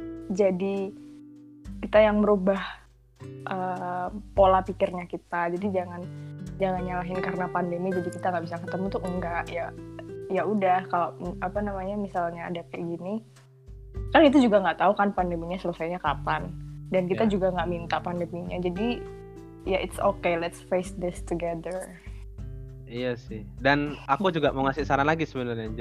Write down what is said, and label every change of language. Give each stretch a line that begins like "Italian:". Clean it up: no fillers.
Indonesian: jadi kita yang merubah pola pikirnya kita. Jadi jangan nyalahin karena pandemi jadi kita nggak bisa ketemu, tuh enggak. Ya udah, kalau apa namanya, misalnya ada kayak gini kan, itu juga nggak tahu kan pandeminya selesainya kapan, dan kita juga nggak minta pandeminya. Jadi ya
English: it's okay, let's face this together.
Indonesian: Iya sih, dan aku juga mau ngasih saran lagi sebenarnya.